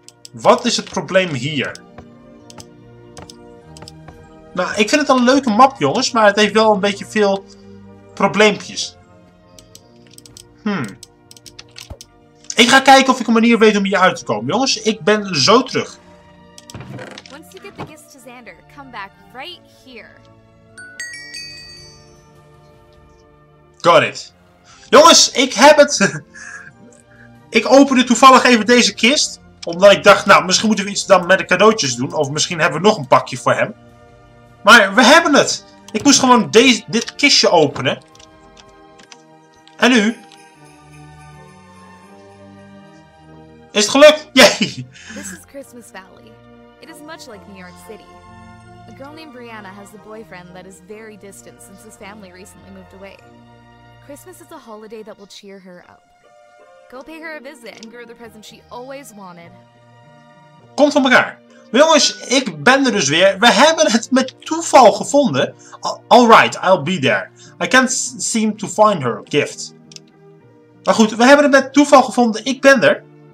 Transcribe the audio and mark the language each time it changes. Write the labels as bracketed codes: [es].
[nl] Wat is het probleem hier? Nou, ik vind het een leuke map, jongens. Maar het heeft wel een beetje veel probleempjes. Ik ga kijken of ik een manier weet om hier uit te komen, jongens. Ik ben zo terug. [en] Once you get the gifts to Zander, come back right here. Got it. [nl] Jongens, ik heb het. Ik opende toevallig even deze kist. Omdat ik dacht, nou, misschien moeten we iets dan met de cadeautjes doen. Of misschien hebben we nog een pakje voor hem. Maar we hebben het. Ik moest gewoon dit kistje openen. En nu? Is het gelukt? Yay! [en] This is Christmas Valley. It is much like New York City. A girl named Brianna has a boyfriend that is very distant since his family recently moved away. Christmas is a holiday that will cheer her up. Go pay her a visit and give her the present she always wanted. [nl] Komt van elkaar. Jongens, ik ben er dus weer. We hebben het met toeval gevonden. [en] Alright, I'll be there. I can't seem to find her gift. [nl] Maar goed, we hebben het met toeval gevonden. Ik ben er.